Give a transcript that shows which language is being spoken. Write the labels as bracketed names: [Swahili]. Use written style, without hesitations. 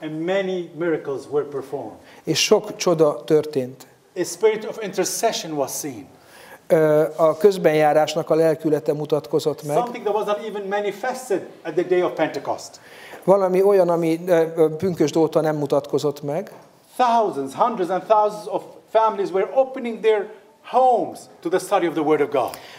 [English] and many miracles were performed. [Hungarian] És sok csoda történt. [English] A spirit of intercession was seen. [Hungarian] A közbenjárásnak a lelkülete mutatkozott meg. [English] Something that was not even manifested at the day of Pentecost. [Hungarian] Valami olyan, ami pünkösd óta nem mutatkozott meg. [English] Thousands, hundreds and thousands of families were opening their homes to the study of the Word of God.